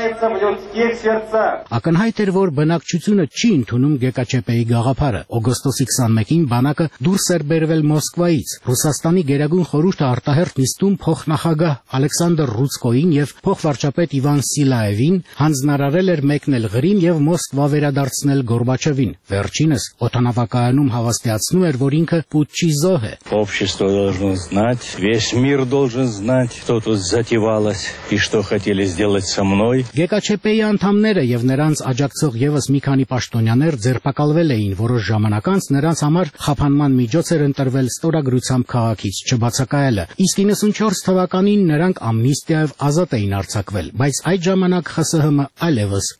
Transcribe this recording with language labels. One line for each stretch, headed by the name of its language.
Armenian: Ակնհայտ էր, որ բնակչությունը չի ընդունում ԳԿՉՊ-ի գաղափարը։ Օգոստոսի 21-ին բանակը դուրս էր բերվել Մոսկվայից։ Ռուսաստանի գերագույն խորհուրդը արտահերթ նիստում փոխնախագահ Ալեքսանդր Ռուցկոին և փոխվարչապետ Իվան Սիլաևին հանձնարարել էր մեկնել Ղրիմ և Մոսկվա վերադարձնել Գորբաչևին։ Վերջինս օդանավակայանում հավաստիացնում էր, որ ինքը Պուտչի զոհ է։
Russian: Общество должно знать, весь мир должен знать, что тут затевалось. И что хотели сделать со мной?
Armenian: ГКЧП-ի անդամները եւ նրանց աջակցող եւս մի քանի պաշտոնյաներ ձերբակալվել էին, որոշ ժամանակ անց նրանց համար խափանման միջոց էր ընտրվել ստորագրությամբ քաղաքից չբացակայելը։ Իսկ 94 թվականին նրանք ամնիստիայով ազատ էին արձակվել, բայց այդ ժամանակ ԽՍՀՄ-ը այլևս